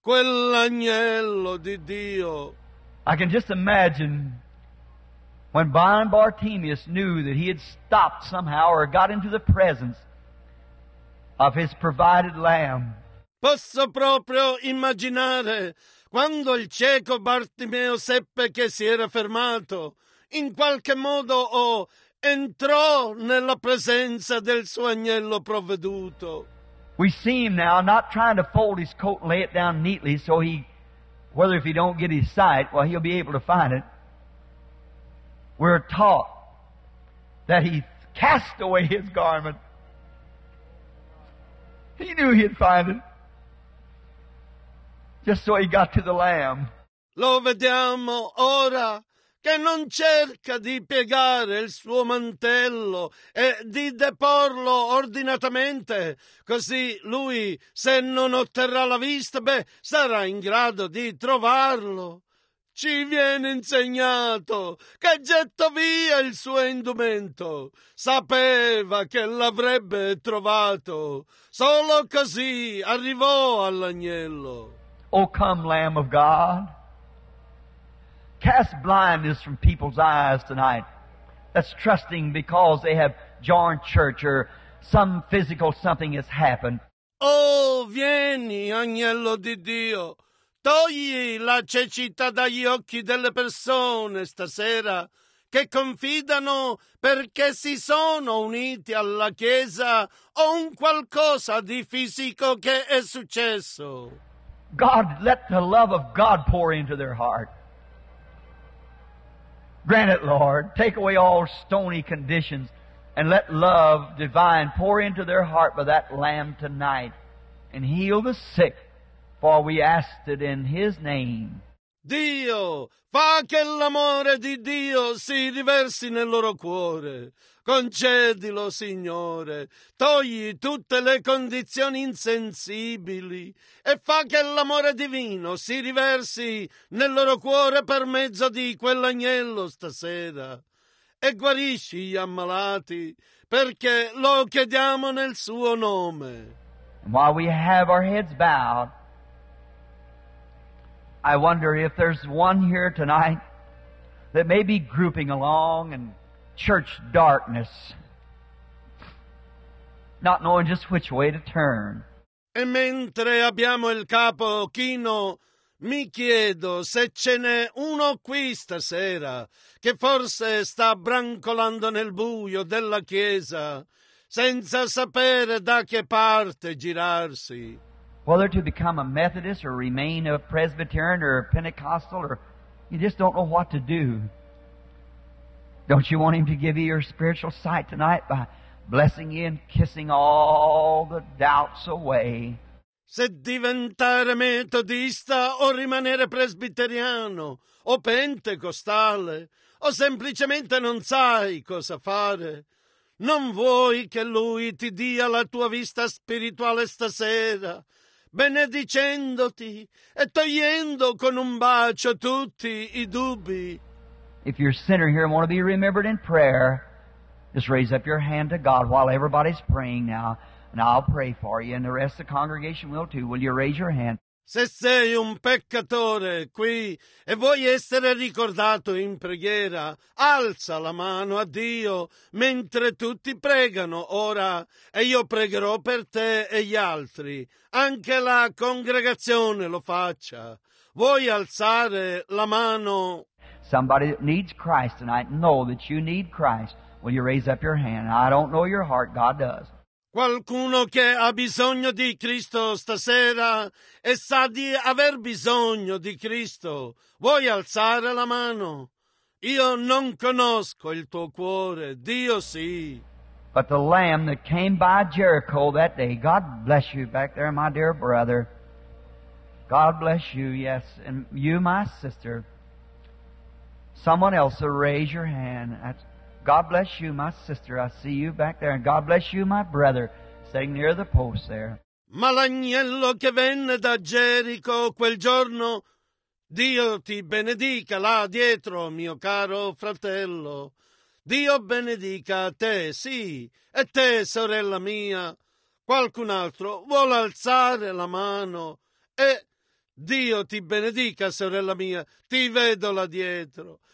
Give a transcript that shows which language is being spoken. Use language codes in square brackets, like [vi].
[it] Quell'agnello di Dio. [en] I can just imagine when blind Bartimaeus knew that he had stopped somehow or got into the presence of his provided lamb. [it] Posso proprio immaginare quando il cieco Bartimeo seppe che si era fermato, in qualche modo entrò nella presenza del suo agnello provveduto. [en] We see him now not trying to fold his coat and lay it down neatly so he whether if he don't get his sight, well, he'll be able to find it. We're taught that he cast away his garment. He knew he'd find it. Just so he got to the Lamb. [it] Lo vediamo ora che non cerca di piegare il suo mantello e di deporlo ordinatamente, così lui, se non otterrà la vista, beh, sarà in grado di trovarlo. Ci viene insegnato che gettò via il suo indumento. Sapeva che l'avrebbe trovato. Solo così arrivò all'agnello. [en] O come, Lamb of God, cast blindness from people's eyes tonight that's trusting because they have joined church or some physical something has happened. [it] Oh, vieni, agnello di Dio, togli la cecità dagli occhi delle persone stasera che confidano perché si sono uniti alla Chiesa o un qualcosa di fisico che è successo. [en] God, let the love of God pour into their heart. Grant it, Lord. Take away all stony conditions and let love divine pour into their heart by that Lamb tonight and heal the sick, for we asked it in His name. [it] Dio, fa che l'amore di Dio si riversi nel loro cuore. Concedilo, Signore. Togli tutte le condizioni insensibili e fa che l'amore divino si riversi nel loro cuore per mezzo di quell'agnello stasera. E guarisci gli ammalati, perché lo chiediamo nel Suo nome. [en] While we have our heads bowed, I wonder if there's one here tonight that may be grouping along in church darkness, not knowing just which way to turn. [it] E mentre abbiamo il capo chino, mi chiedo se ce n'è uno qui stasera che forse sta brancolando nel buio della chiesa senza sapere da che parte girarsi. [en] Whether to become a Methodist or remain a Presbyterian or a Pentecostal, or you just don't know what to do. Don't you want Him to give you your spiritual sight tonight by blessing you and kissing all the doubts away? [it] Se diventare metodista o rimanere presbiteriano o pentecostale o semplicemente non sai cosa fare, non vuoi che Lui ti dia la tua vista spirituale stasera? Benedicendoti e togliendo con un bacio tutti i dubbi. [en] If you're a sinner here and want to be remembered in prayer, just raise up your hand to God while everybody's praying now, and I'll pray for you, and the rest of the congregation will too. Will you raise your hand? [it] Se sei un peccatore qui e vuoi essere ricordato in preghiera, alza la mano a Dio mentre tutti pregano ora e io pregherò per te e gli altri. Anche la congregazione lo faccia. Vuoi alzare la mano? [en] Somebody that needs Christ tonight, know that you need Christ. Will you raise up your hand? I don't know your heart, God does. [it] Qualcuno che ha bisogno di Cristo stasera e sa di aver bisogno di Cristo, vuoi alzare la mano? Io non conosco il tuo cuore, Dio sì. [en] But the Lamb that came by Jericho that day, God bless you back there, my dear brother. God bless you, yes, and you, my sister. Someone else, raise your hand. God bless you, my sister. I see you back there. And God bless you, my brother, sitting near the post there. [it] Ma l'agnello che venne da Gerico quel giorno, Dio ti benedica là dietro, mio caro fratello. Dio benedica te, sì, e te, sorella mia. Qualcun altro vuole alzare la mano. E Dio ti benedica, sorella mia, ti vedo là dietro.